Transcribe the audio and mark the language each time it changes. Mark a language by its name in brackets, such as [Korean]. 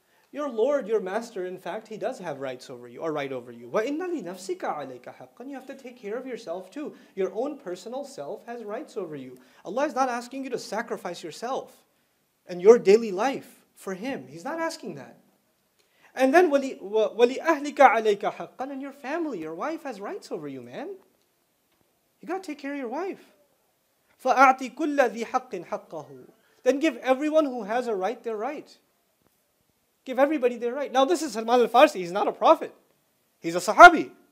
[English] Your Lord, your master, in fact, he does have rights over you, or right over you. [Arabic] وَإِنَّ لِنَفْسِكَ عَلَيْكَ حَقًّا. [English] You have to take care of yourself too. Your own personal self has rights over you. Allah is not asking you to sacrifice yourself and your daily life for Him. He's not asking that. And then [Arabic] وَلِأَهْلِكَ عَلَيْكَ حَقًّا. [English] And your family, your wife has rights over you, man. You got to take care of your wife. [Arabic] فَأَعْطِ كُلَّ ذِي حَقٍ حَقَّهُ. [English] Then give everyone who has a right their right. Give everybody their right. Now this is Salman al-Farsi. He's not a prophet. He's a sahabi.